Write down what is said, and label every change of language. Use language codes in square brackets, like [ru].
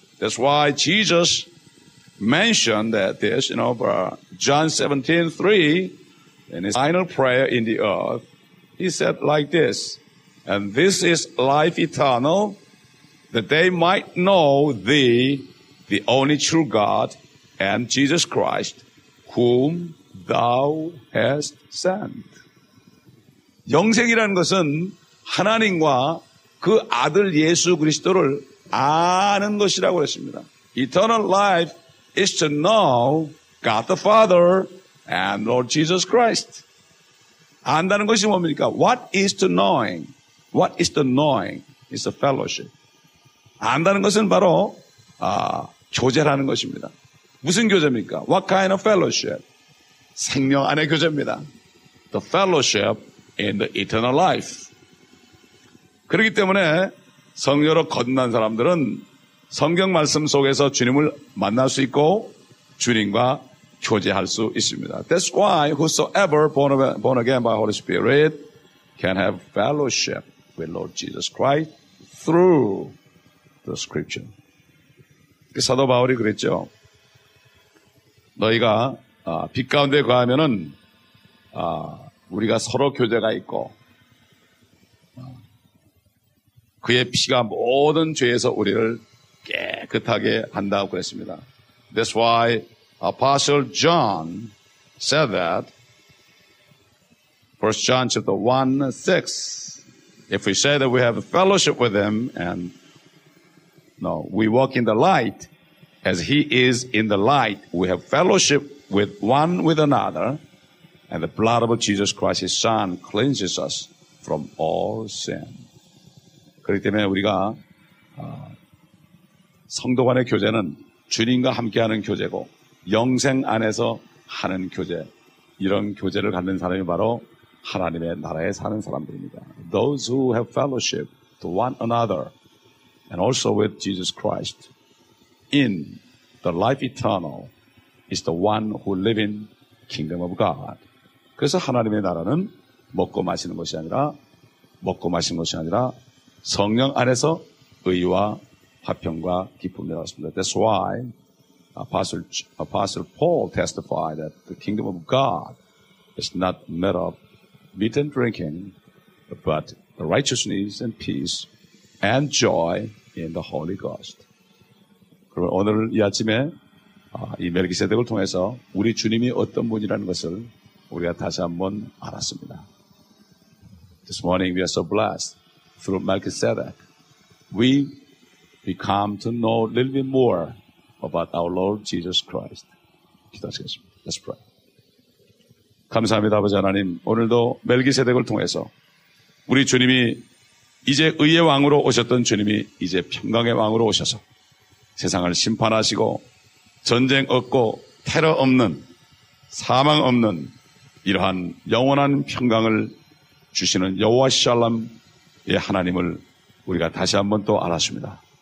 [en] That's why Jesus mentioned that this, you know, John 17:3, in his final prayer in the earth, he said like this, and this is life eternal, that they might know thee, the only true God, and Jesus Christ, whom thou hast sent. [ko] 영생이라는 것은 하나님과 그 아들 예수 그리스도를 아는 것이라고 했습니다. [en] Eternal life is to know God the Father and Lord Jesus Christ. [ko] 안다는 것이 뭡니까? [en] What is the knowing? What is the knowing? It's a fellowship. [ko] 안다는 것은 바로 교제라는 것입니다. 무슨 교제입니까? [en] What kind of fellowship? [ko] 생명 안의 교제입니다. [en] The fellowship in the eternal life. [ko] 그렇기 때문에 성녀로 거듭난 사람들은 성경 말씀 속에서 주님을 만날 수 있고 주님과 교제할 수 있습니다. [en] That's why whosoever born again by Holy Spirit can have fellowship with Lord Jesus Christ through the scripture. [ko] 사도 바울이 그랬죠. 너희가 빛 가운데 거하면은 우리가 서로 교제가 있고 그의 피가 모든 죄에서 우리를 깨끗하게 한다고 그랬습니다. [en] That's why Apostle John said that, 1 John chapter 1:6, if we say that we have a fellowship with him and no, we walk in the light as he is in the light, we have fellowship with one with another, and the blood of Jesus Christ, his son, cleanses us from all sin. [ko] 그렇기 때문에 우리가 성도 간의 교제는 주님과 함께하는 교제고 영생 안에서 하는 교제, 이런 교제를 갖는 사람이 바로 하나님의 나라에 사는 사람들입니다. [en] Those who have fellowship to one another and also with Jesus Christ in the life eternal is the one who live in kingdom of God. [ko] 그래서 하나님의 나라는 먹고 마시는 것이 아니라 먹고 마시는 것이 아니라 성령 안에서 의와 화평과 기쁨이라고 했습니다. [en] That's why Apostle Paul testified that the kingdom of God is not made of meat and drinking, but righteousness and peace and joy in the Holy Ghost. [ko] 그럼 오늘 이 아침에 이 멜기세덱을 통해서 우리 주님이 어떤 분이라는 것을 우리가 다시 한번 알았습니다. [en] This morning we are so blessed through Melchizedek. We come to know a little bit more about our Lord Jesus Christ. [ko] 기도하시겠습니다. [en] Let's pray. [ko] 감사합니다, 아버지 하나님. 오늘도 멜기세덱을 통해서 우리 주님이 이제 의의 왕으로 오셨던 주님이 이제 평강의 왕으로 오셔서 세상을 심판하시고 전쟁 없고 테러 없는 사망 없는 이러한 영원한 평강을 주시는 여호와 샬롬의 하나님을 우리가 다시 한번 또 알았습니다.